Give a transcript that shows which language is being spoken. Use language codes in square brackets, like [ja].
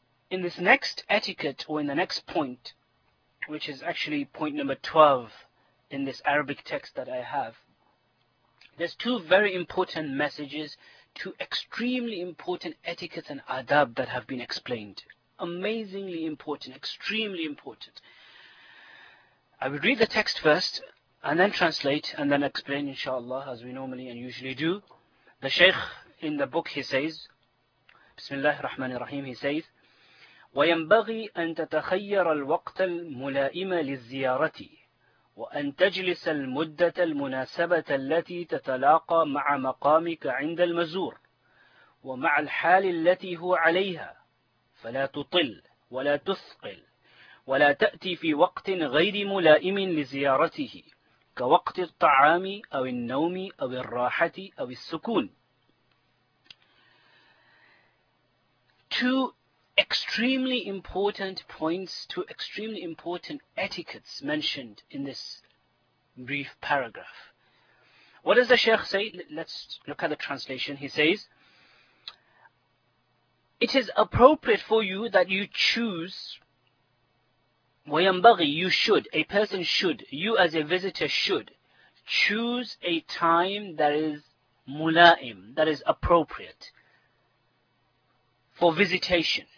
[en] In this next etiquette, or in the next point, which is actually point number 12 in this Arabic text that I have, there's two very important messages, two extremely important etiquettes and adab that have been explained. Amazingly important, extremely important. I would read the text first and then translate and then explain, inshallah, as we normally and usually do. The Shaykh in the book, he says, [ar] Bismillah ar-Rahman ar-Rahim, he says, وَيَنْبَغِي أَن تَتَخَيَّرَ الْوَقْتَ الْمُلَائِمَ لِلزِّيَارَةِ وأن تجلس المدة المناسبة التي تتلاقى مع مقامك عند المزور ومع الحال التي هو عليها، فلا تطل ولا تثقل ولا تأتي في وقت غير ملائم لزيارته، كوقت الطعام أو النوم أو الراحة أو السكون. [en] Two extremely important points, two extremely important etiquettes mentioned in this brief paragraph. What does the Shaykh say? Let's look at the translation. He says, it is appropriate for you that you choose, وَيَنْبَغِي, you should, a person should, you as a visitor should, choose a time that is mulaim, that is appropriate for visitation.